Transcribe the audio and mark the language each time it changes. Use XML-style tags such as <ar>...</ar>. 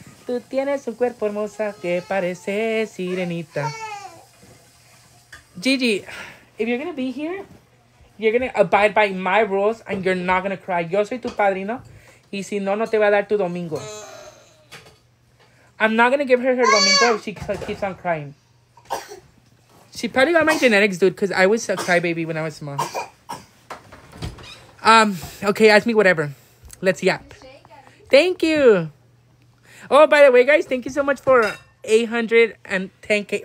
<es>Tú tienes un cuerpo hermosa que parece sirenita.</es> <en>Gigi, if you're going to be here, you're going to abide by my rules and you're not going to cry.</en> <es>Yo soy tu padrino y si no, no te va a dar tu domingo.</es> <en>I'm not going to give her domingo if she keeps on crying. She probably got my genetics, dude, because I was a crybaby when I was small. Okay, ask me whatever. Let's yap. Thank you. Oh, by the way, guys, thank you so much for 810K.</en>